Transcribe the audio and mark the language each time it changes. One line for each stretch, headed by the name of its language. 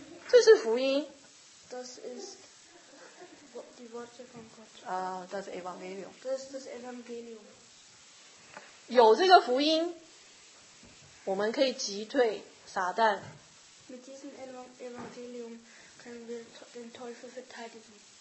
Chinese: 这是福音。
German: Das ist die Worte von Gott. Das Evangelium. Das ist das Evangelium.
Chinese: 有这个福音，我们可以击退撒旦。
German: Mit diesem Evangelium können wir den Teufel verteidigen.